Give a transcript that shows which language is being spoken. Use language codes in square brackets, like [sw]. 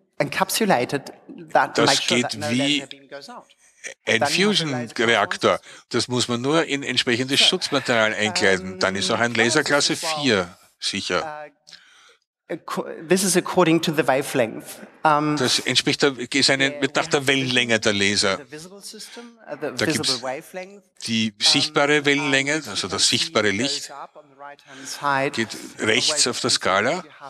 [de] Das geht wie ein Fusion-Reaktor. Das muss man nur in entsprechendes Schutzmaterial einkleiden. Dann ist auch ein Laser Klasse 4 sicher. [en] This is according to the wavelength. [de] Das entspricht nach der Wellenlänge der Laser. Da gibt es die sichtbare Wellenlänge, also das sichtbare Licht, geht rechts auf der Skala.